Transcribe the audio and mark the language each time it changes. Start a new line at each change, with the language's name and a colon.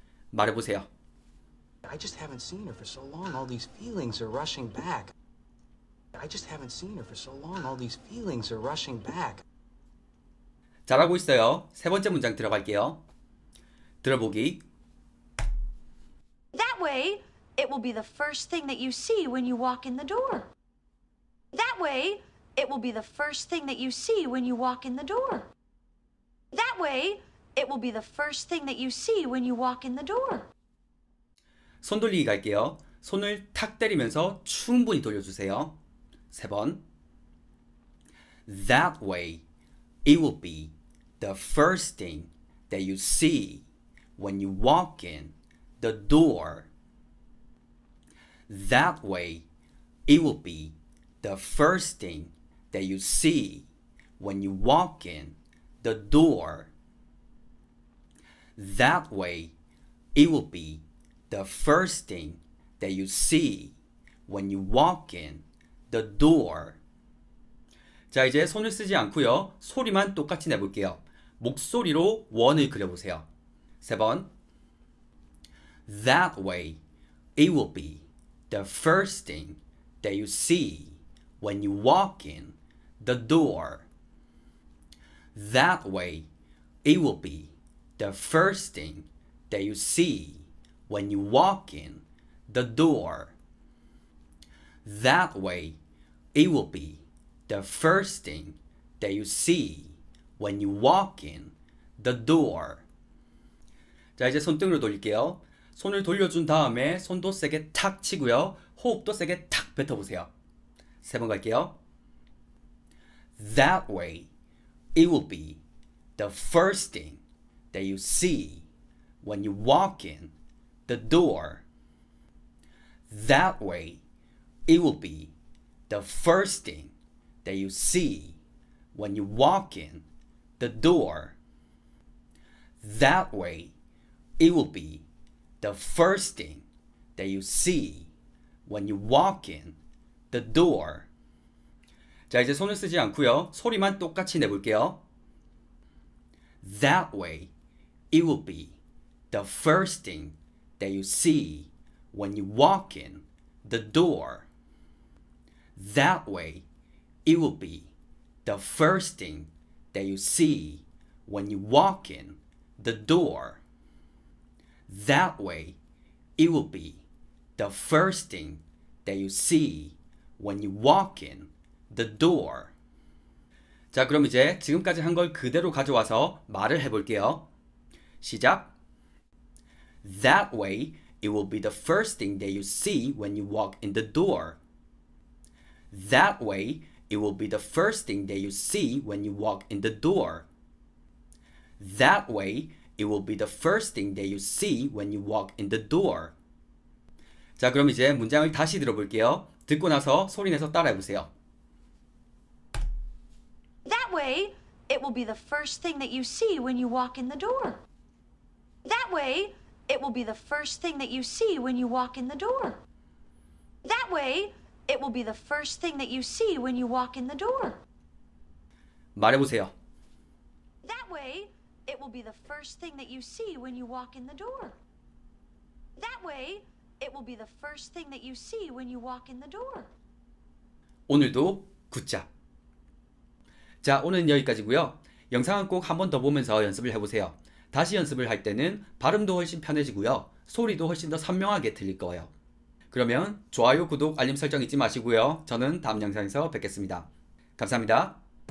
Korean: 말해보세요.
English: I just haven't seen her for so long. All these feelings are rushing back. I just haven't seen her for so long. All these feelings are rushing back.
Korean: 잘하고 있어요. 세 번째 문장 들어갈게요. 들어보기.
English: That way, it will be the first thing that you see when you walk in the door. That way, it will be the first thing that you see when you walk in the door. That way, it will be the first thing that you see when you walk in the door.
Korean: 손 돌리기 갈게요. 손을 탁 때리면서 충분히 돌려주세요. 세 번.
English: That way, it will be the first thing that you see when you walk in the door. That way, it will be the first thing that you see when you walk in the door. That way, it will be the first thing that you see when you walk in the door.
Korean: 자, 이제 손을 쓰지 않고요. 소리만 똑같이 내볼게요. 목소리로 원을 그려보세요. 세 번.
English: That way, it will be the first thing that you see when you walk in the door. That way, it will be the first thing that you see when you walk in the door. That way, it will be the first thing that you see when you walk in the door.
Korean: 자, 이제 손등으로 돌릴게요. 손을 돌려준 다음에 손도 세게 탁 치고요. 호흡도 세게 탁 뱉어보세요. 세 번 갈게요.
English: That way, it will be the first thing that you see when you walk in the door. That way, it will be the first thing that you see when you walk in the door. That way, it will be the first thing that you see when you walk in the door.
Korean: 자, 이제 손을 쓰지 않고요. 소리만 똑같이 내볼게요.
English: That way, it will be the first thing that you see when you walk in the door. That way, it will be the first thing that you see when you walk in the door. That way, it will be the first thing that you see when you walk in the door.
Korean: 자, 그럼 이제 지금까지 한 걸 그대로 가져와서 말을 해볼게요. 시작!
English: That way, it will be the first thing that you see when you walk in the door. That way, it will be the first thing that you see when you walk in the door. That way, it will be the first thing that you see when you walk in the door.
Korean: 자, 그럼 이제 문장을 다시 들어볼게요. 듣고 나서 소리내서 따라해보세요.
English: That way, it will be the first thing that you see when you walk in the door. That way, it will be the first thing that you see when you walk in the door. That way, it will be the first thing that you see when you walk in the door.
Korean: 말해보세요.
English: That way, it will be the first thing that you see when you walk in the door. That way, it will be the first thing that you see when you walk in the door.
Korean: 오늘도 굿잡. 자, 오늘은 여기까지고요. 영상은 꼭 한 번 더 보면서 연습을 해보세요. 다시 연습을 할 때는 발음도 훨씬 편해지고요. 소리도 훨씬 더 선명하게 들릴 거예요. 그러면 좋아요, 구독, 알림 설정 잊지 마시고요. 저는 다음 영상에서 뵙겠습니다. 감사합니다.